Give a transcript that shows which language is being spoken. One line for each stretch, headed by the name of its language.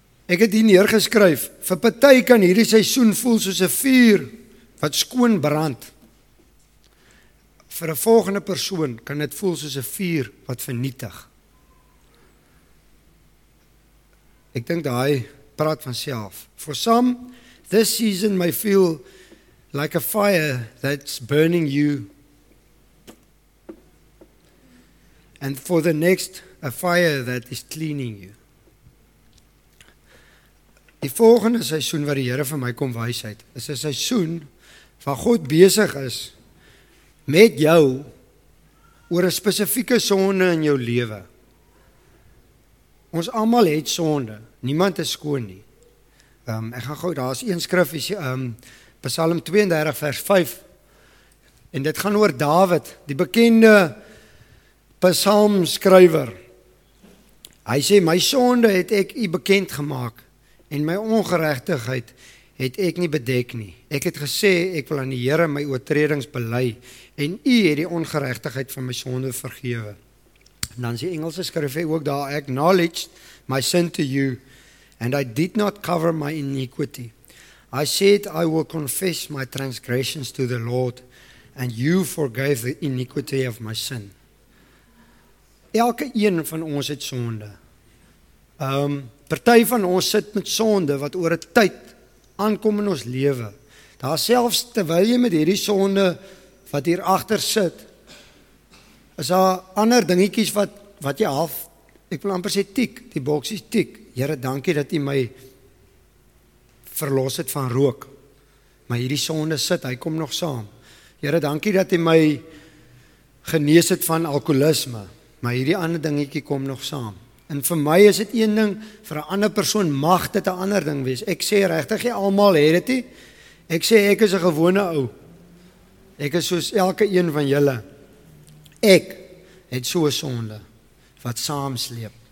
Afrikaans: Ek het hier neergeskryf, vir party kan hierdie seisoen voel soos 'n vuur wat skoon brand. Vir 'n volgende persoon kan dit voel soos 'n vuur wat vernietig. Ek dink daai praat van self.
English: For some, this season may feel like a fire that's burning you. And for the next, a fire that is cleaning you.
Afrikaans: Die volgende seisoen wat die Here vir my kom wys uit, is 'n seisoen waar God besig is met jou oor 'n spesifieke sonde in jou lewe. Ons almal het sonde. Niemand is skoon nie. Ek gaan gou, daar is een skrif, Psalm 32 vers 5, en dit gaan oor David, die bekende psalmskrywer. Hy sê, my sonde het ek u bekend gemaak, en my ongeregtigheid het ek nie bedek nie. Ek het gesê, ek wil aan die Here my oortredings bely, en u het die ongeregtigheid van my sonde vergewe. En dan sê Engelse skrif ook daar,
English: I acknowledged my sin to you, and I did not cover my iniquity. I said, I will confess my transgressions to the Lord, and you forgave the iniquity of my sin.
Afrikaans: Elke een van ons het sonde. Party van ons sit met sonde, wat oor 'n tyd aankom in ons lewe. Daar selfs, terwyl jy met hierdie sonde, wat hier agter sit, is daar ander dingetjies wat jy half, ek wil amper sê tiek, die boksies tiek. Here, dankie dat u my verlos het van rook. Maar hierdie sonde sit, hy kom nog saam. Here, dankie dat u my genees het van alkoholisme. Maar hierdie ander dingetjie kom nog saam. En vir my is dit een ding, vir 'n ander persoon mag dit 'n ander ding wees. Ek sê regtig, jy almal het dit. Ek sê ek is 'n gewone ou. Ek is soos elke een van julle. Ek het so 'n sonde wat saamsleep.